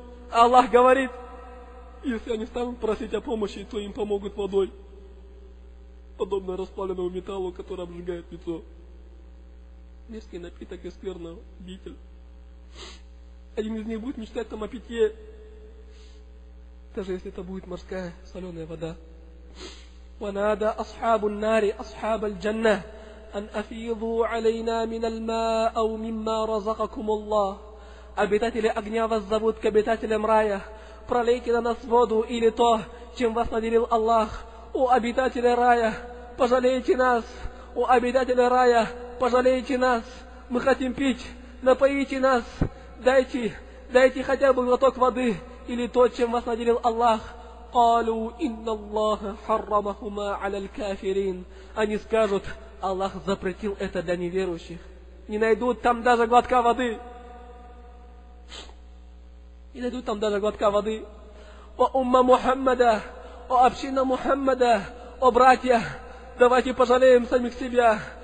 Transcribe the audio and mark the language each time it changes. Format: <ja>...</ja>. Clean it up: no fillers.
<ru>Аллах говорит: если они станут просить о помощи, то им помогут водой, подобно расплавленному металлу, который обжигает лицо. Мерзкий напиток и скверный обитель. Один из них будет мечтать там о питье, даже если это будет морская соленая вода.</ru> <ar>Ванада асхабу нари асхаба аль-джанна. أن أفيضوا علينا من الماء أو مما رزقكم الله</ar> <ru>обитатели огня вас зовут к обитателям рая. Пролейте на нас воду или то, чем вас наделил Аллах. О, обитатели рая, пожалейте нас. О, обитатели рая, пожалейте нас. Мы хотим пить, напоите нас. Дайте хотя бы глоток воды или то, чем вас наделил Аллах.</ru> <ar>قالوا إن الله حرمهما على الكافرين.</ar> <ru>Они скажут, Аллах запретил это для неверующих. Не найдут там даже глотка воды. Не найдут там даже глотка воды. О умма Мухаммада, о община Мухаммада, о братья, давайте пожалеем самих себя.</ru>